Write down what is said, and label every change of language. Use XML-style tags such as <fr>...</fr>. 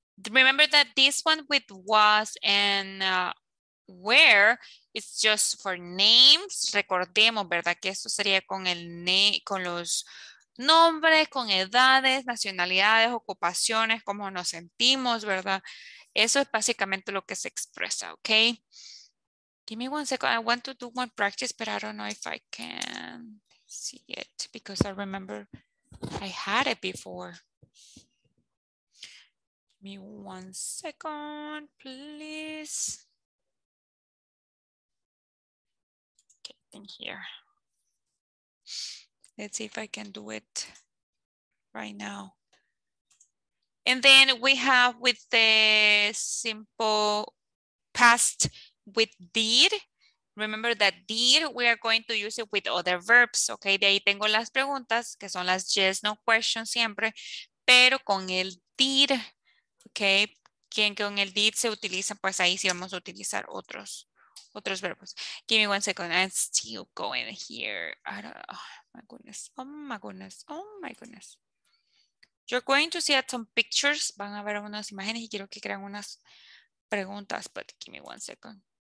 <en>Remember that this one with was and where is just for names.</en> <es>Recordemos, ¿verdad? Que esto sería con el con los nombres, con edades, nacionalidades, ocupaciones, cómo nos sentimos, ¿verdad? Eso es básicamente lo que se expresa, ¿ok?</es> <en>Give me one second. I want to do one practice, but I don't know if I can see it because I remember I had it before. Give me one second, please. Okay, in here. Let's see if I can do it right now. And then we have with the simple past with did. Remember that did, we are going to use it with other verbs.</en> <es>Okay, de ahí tengo las preguntas, que son las yes, no questions siempre, pero con el did. Okay, quien con el did se utiliza, pues ahí sí vamos a utilizar otros verbos.</es> <en>Give me one second, I'm still going here. I don't know. Oh my goodness. You're going to see some pictures.</en> <es>Van a ver unas imágenes y quiero que crean unas preguntas,</es> <en>but give me one second.</en>